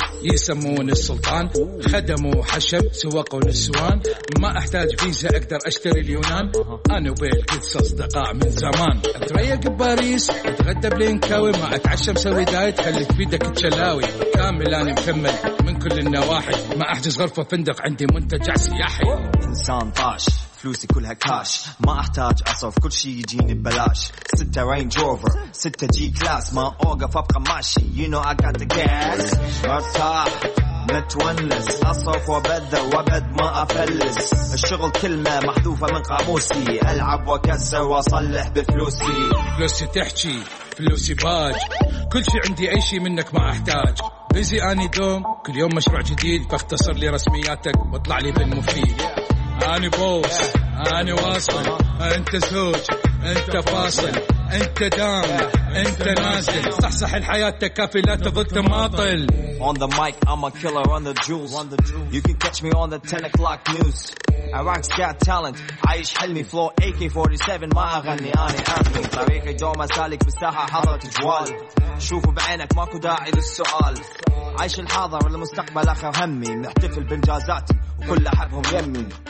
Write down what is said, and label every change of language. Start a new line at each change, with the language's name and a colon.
Arabic: يسمون السلطان، خدموا حشب سواق ونسوان، ما احتاج فيزا اقدر اشتري اليونان، انا وبيل كيتس اصدقاء من زمان، اتريق بباريس اتغدى بلينكاوي، ما اتعشى مسوي دايت خلي تفيدك تشلاوي، كامل انا مكمل من كل النواحي، ما احجز غرفة فندق عندي منتجع سياحي. انسان طاش فلوسي كلها كاش، ما احتاج اصرف كل شي يجيني ببلاش، ستة رينج روفر ستة جي كلاس، ما اوقف ابقى ماشي
English: you know I got the gas،
Arabic: مرتاح متونس اصرف وبذر وبد ما افلس، الشغل كلمة محذوفة من قاموسي، العب وكسر واصلح بفلوسي، فلوسي تحجي فلوسي باج، كل شي عندي اي شي منك ما احتاج، بيزي اني دوم كل يوم مشروع جديد، فاختصر لي رسمياتك واطلع لي بالمفيد. أني بوس أني واصل، أنت زوج أنت فاصل، أنت دام أنت نازل، صح صح الحياة تكافي لا تضغط ماطل.
English: On the mic I'm a killer on the jewels، You can catch me on the 10 o'clock news،
Arabic: Iraq's got talent عايش حلمي فلو AK-47 ما أغني أني أمي، طريقي دوم أسالك بساحة حضرة جوال، شوفوا بعينك ماكو داعي للسؤال، عايش الحاضر والمستقبل آخر همي، محتفل بإنجازاتي كل أحبهم يمي.